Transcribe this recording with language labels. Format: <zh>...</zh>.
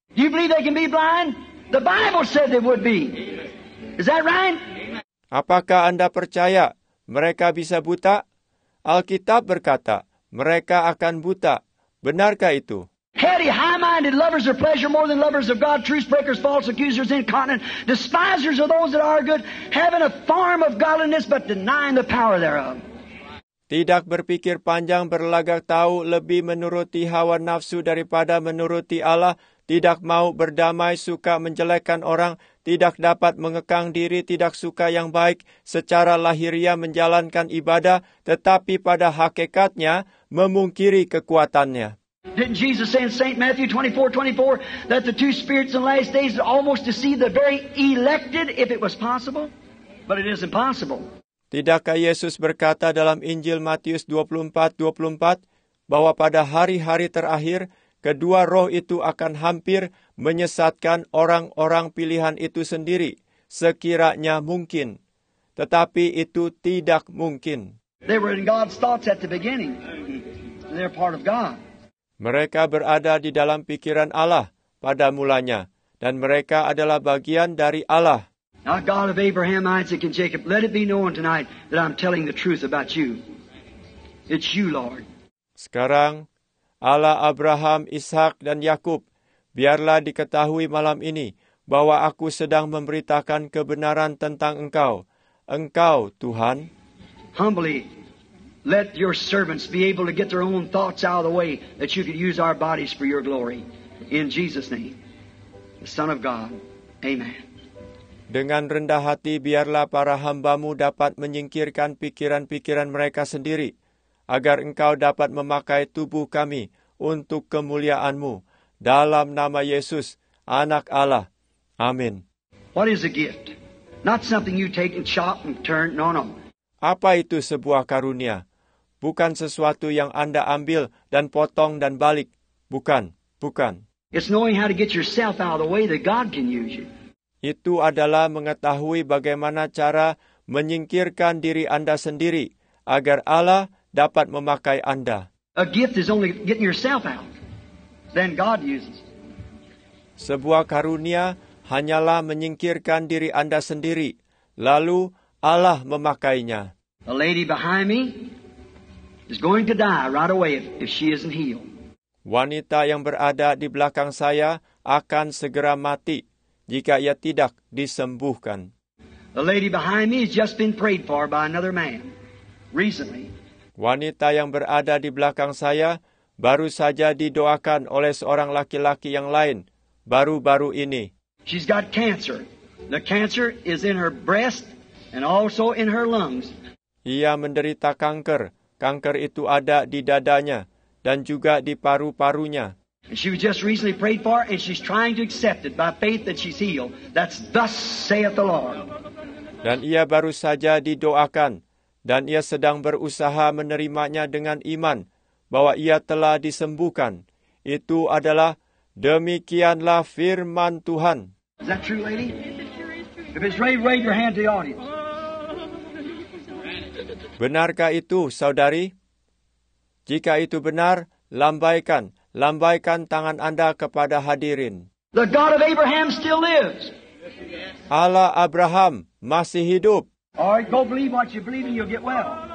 <en>Do you believe they can be blind? The Bible said they would be. Is that right?</en> <id>Apakah Anda percaya mereka bisa buta? Alkitab berkata, mereka akan buta. Benarkah itu?</id> <en>Heady, high-minded lovers of pleasure more than lovers of God, truth breakers, false accusers, incontinent, despisers of those that are good, having a form of godliness but denying the power thereof.</en> <id>Tidak berpikir panjang, berlagak tahu, lebih menuruti hawa nafsu daripada menuruti Allah, tidak mau berdamai, suka menjelekkan orang, tidak dapat mengekang diri, tidak suka yang baik, secara lahiriah menjalankan ibadah, tetapi pada hakikatnya memungkiri kekuatannya.</id> <en>Didn't Jesus say in St. Matthew 24:24 that the two spirits in the last days would almost deceive the very elected if it was possible? But it is impossible.</en> <id>Tidakkah Yesus berkata dalam Injil Matius 24:24 bahwa pada hari-hari terakhir kedua roh itu akan hampir menyesatkan orang-orang pilihan itu sendiri, sekiranya mungkin. Tetapi itu tidak mungkin.</id> <en>They were in God's thoughts at the beginning. They're part of God.</en> <id>Mereka berada di dalam pikiran Allah pada mulanya, dan mereka adalah bagian dari Allah.</id> <en>Now, God of Abraham, Isaac, and Jacob, let it be known tonight that I'm telling the truth about you. It's you, Lord.</en> <id>Sekarang, Allah Abraham, Ishak, dan Yakub, biarlah diketahui malam ini bahwa aku sedang memberitakan kebenaran tentang Engkau. Engkau, Tuhan.</id> <en>Humbly, let your servants be able to get their own thoughts out of the way that you could use our bodies for your glory. In Jesus' name, the Son of God. Amen.</en> <id>Dengan rendah hati, biarlah para hambamu dapat menyingkirkan pikiran-pikiran mereka sendiri, agar engkau dapat memakai tubuh kami untuk kemuliaanmu. Dalam nama Yesus, Anak Allah. Amin.</id> <en>What is a gift? Not something you take and chop and turn. No, no.</en> <id>Apa itu sebuah karunia? Bukan sesuatu yang Anda ambil dan potong dan balik. Bukan, bukan.</id> <en>It's knowing how to get yourself out of the way that God can use you.</en> <id>Itu adalah mengetahui bagaimana cara menyingkirkan diri Anda sendiri agar Allah dapat memakai Anda.</id> <en>A gift is only getting yourself out. Then God uses.</en> <id>Sebuah karunia hanyalah menyingkirkan diri Anda sendiri, lalu Allah memakainya.</id> <en>A lady behind me is going to die right away if she isn't healed.</en> <id>Wanita yang berada di belakang saya akan segera mati jika ia tidak disembuhkan.</id> <en>The lady behind me has just been prayed for by another man recently.</en> <id>Wanita yang berada di belakang saya baru saja didoakan oleh seorang laki-laki yang lain baru-baru ini.</id> <en>She's got cancer. The cancer is in her breast and also in her lungs.</en> <id>Ia menderita kanker. Kanker itu ada di dadanya dan juga di paru-parunya.</id> <en>And she was just recently prayed for and she's trying to accept it by faith that she's healed. That's thus saith the Lord.</en> <id>Dan ia baru saja didoakan. Dan ia sedang berusaha menerimanya dengan iman bahwa ia telah disembuhkan. Itu adalah demikianlah firman Tuhan.</id> <en>Is that true, lady? If it's right, raise your hand to the audience.</en> <id>Benarkah itu, saudari? Jika itu benar, lambaikan. Lambaikan tangan Anda kepada hadirin.</id> <en>The God of Abraham still lives.</en> <id>Allah Abraham masih hidup.</id> <en>All right, go believe what you believe and you'll get well.</en>